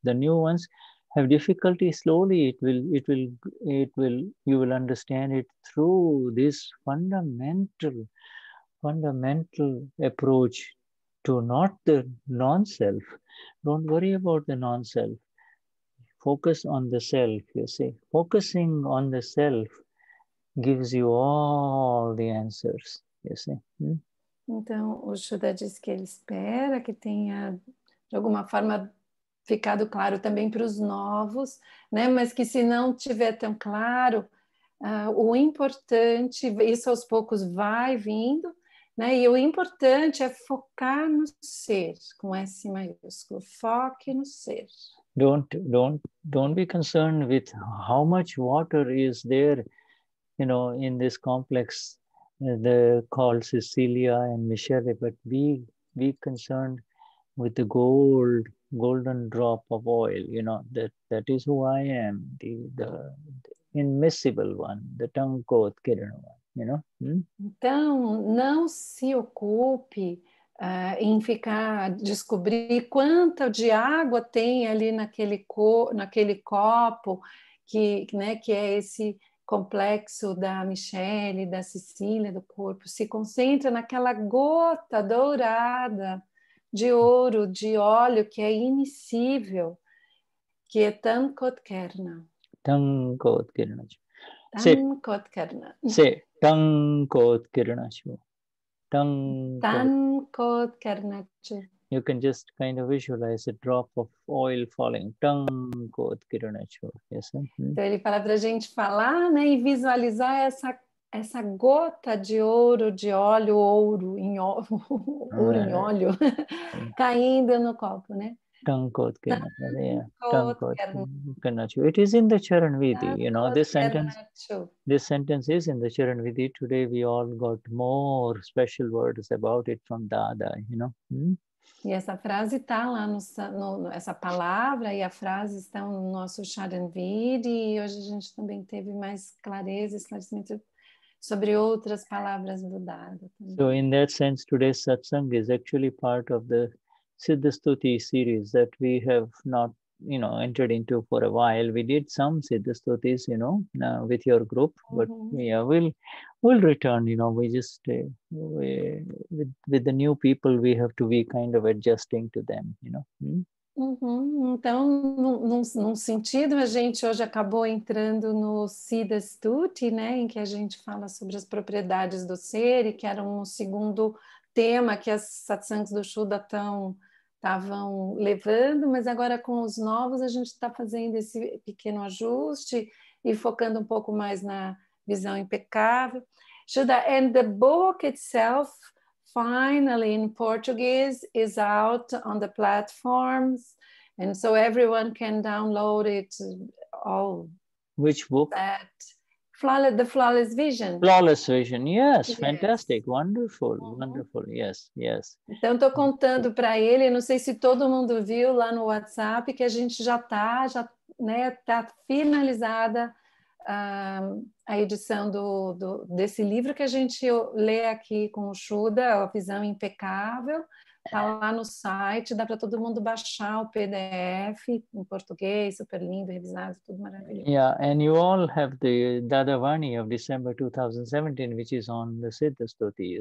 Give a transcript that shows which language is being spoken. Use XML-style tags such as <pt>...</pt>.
<en>The new ones have difficulty, slowly it will you will understand it through this fundamental approach to not the non-self. Don't worry about the non-self. Focus on the self, you see. Focusing on the self gives you all the answers, you see.</en> <pt>Então, o Shuddha diz que ele espera que tenha, de alguma forma, ficado claro também para os novos, né? Mas que se não tiver tão claro, o importante, isso aos poucos vai vindo, né? E o importante é focar no ser, com S maiúsculo, foque no ser.</pt> <en>Don't be concerned with how much water is there, you know, in this complex, called Cecilia and Michele, but be concerned with the golden drop of oil, you know, that is who I am, the immiscible one, the Tangkot Kirana one, you know.</en> <pt>Então, não se ocupe em ficar, descobrir quanto de água tem ali naquele copo, que, né, que é esse complexo da Michele, da Cecília, do corpo. Se concentra naquela gota dourada de ouro, de óleo, que é imiscível, que é Tangkotkerna. Tangkotkerna. Tangkotkerna. Sim, Tangkotkerna. Tangkotkerna.</pt> <en>You can just kind of visualize a drop of oil falling. Tangkotkerna. Yes,</en> <pt>então, ele fala para a gente falar, né, e visualizar essa gota de ouro, de óleo, ouro em óleo, ouro em óleo, caindo no copo, né? Tangkotkerna.</pt> <en>It is in the Charanvidhi, you know, this sentence is in the Charanvidhi. Today we all got more special words about it from Dada, you know.</en> <pt>E essa frase está lá, essa palavra e a frase estão no nosso Charanvidhi, e hoje a gente também teve mais clareza, esclarecimento sobre outras palavras do Dada.</pt> <en>So in that sense, today's satsang is actually part of the Siddha Stuti series that we have not, you know, entered into for a while. We did some Siddha Stutis, you know, with your group, but yeah, we'll return, you know. We just with the new people, we have to be kind of adjusting to them, you know.</en> <pt>Então, num sentido, a gente hoje acabou entrando no Siddha Stuti, né, em que a gente fala sobre as propriedades do ser, e que era um segundo tema que as satsangs do Shuddha estavam levando, mas agora com os novos a gente está fazendo esse pequeno ajuste e focando um pouco mais na visão impecável.</pt> <en>Shuddha, and the book itself, finally in Portuguese, is out on the platforms, and so everyone can download it all Which book? That Flawless, The Flawless Vision. Flawless Vision, yes, fantastic, wonderful, wonderful, yes, yes.</en> <pt>Então, estou contando para ele, não sei se todo mundo viu lá no WhatsApp, que a gente já está, já, né, tá finalizada a edição desse livro que a gente lê aqui com o Shuda, A Visão Impecável. Está lá no site, dá para todo mundo baixar o PDF em português, super lindo, revisado, tudo maravilhoso.</pt> <en>Yeah, and you all have the Dadavani of December 2017, which is on the Siddha Stuti.</en>